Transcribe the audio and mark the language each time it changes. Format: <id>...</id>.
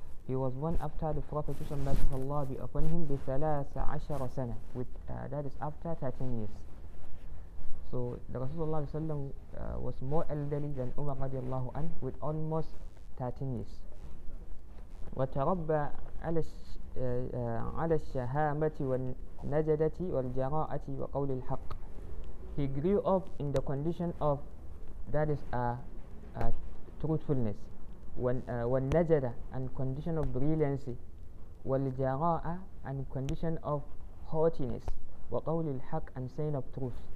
<en>He was born after the Prophet Muhammad peace Allah be upon him with 13 sana, that is after 13 years. So the Rasulullah was more elderly than Umar radiallahu anhu with almost 13 years.</en> <ar>وتربى على الشهامة والنجدة والجراءة وقول الحق.</ar> <en>He grew up in the condition of that is a truthfulness والنجدة and condition of brilliancy والجراءة and condition of haughtiness</en> <ar>وقول الحق</ar> <en>and saying of truth.</en>